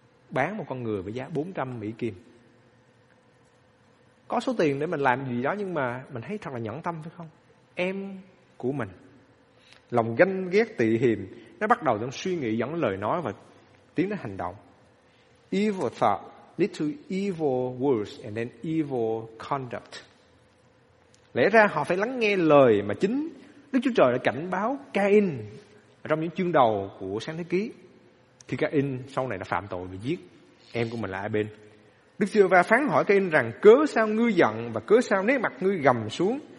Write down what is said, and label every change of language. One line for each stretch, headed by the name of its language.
Vietnamese: Bán một con người với giá 400 Mỹ kim. Có số tiền để mình làm gì đó, nhưng mà mình thấy thật là nhẫn tâm phải không? Em của mình. Lòng ganh ghét tị hiềm nó bắt đầu trong suy nghĩ, dẫn lời nói và tiến đến hành động.
English: Evil thought lead to evil words and then evil conduct.
Vietnamese: Lẽ ra họ phải lắng nghe lời mà chính Đức Chúa Trời đã cảnh báo Cain trong những chương đầu của Sáng Thế Ký. Khi Cain sau này đã phạm tội và giết em của mình là Abel, Đức Giê-hô-va phán hỏi Cain rằng cớ sao ngươi giận và cớ sao nét mặt ngươi gầm xuống?